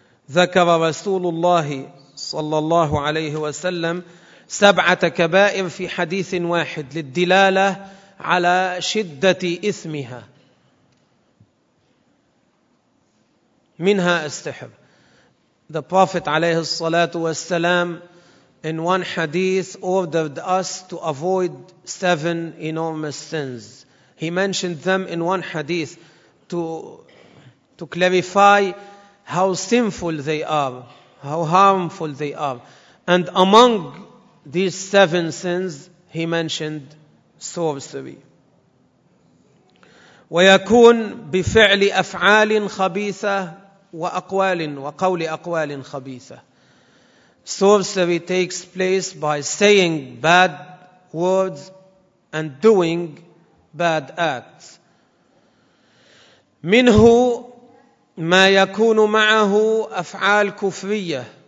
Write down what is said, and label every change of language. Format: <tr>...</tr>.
<ar>ذكر رسول الله صلى الله عليه وسلم سبعة كبائر في حديث واحد للدلالة على شدة إثمها، منها السحر.</ar> <en>The Prophet</en> <ar>عليه الصلاة والسلام</ar> <en>in one hadith ordered us to avoid seven enormous sins. He mentioned them in one hadith to clarify how sinful they are, how harmful they are. And among these seven sins, he mentioned sorcery.</en> <ar>ويكون بفعل أفعال خبيثة وأقوال وقول أقوال خبيثة.</ar> <en>Sorcery takes place by saying bad words and doing bad acts.</en> <ar>منه ما يكون معه أفعال كفرية.</ar>